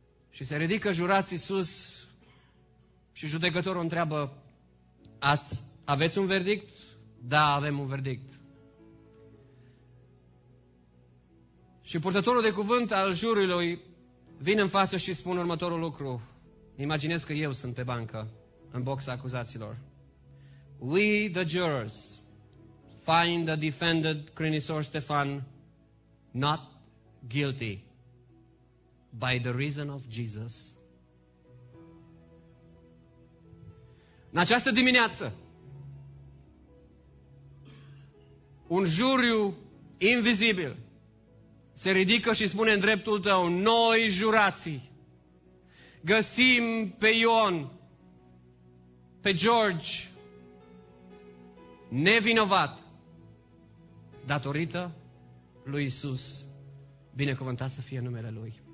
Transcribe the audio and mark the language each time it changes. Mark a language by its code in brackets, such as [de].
[ro] Și se ridică jurații sus și judecătorul întreabă, aveți un verdict? Da, avem un verdict. Și purtătorul de cuvânt al jurului vine în față și spune următorul lucru. Imaginez că eu sunt pe bancă, în boxa acuzaților. [en] We, the jurors, find the defendant Crinisor Stefan not guilty by the reason of Jesus. [ro] În această dimineață, un juriu invizibil se ridică și spune în dreptul tău, noi jurații găsim pe Ion, pe George, nevinovat, datorită lui Iisus, binecuvântat să fie numele Lui.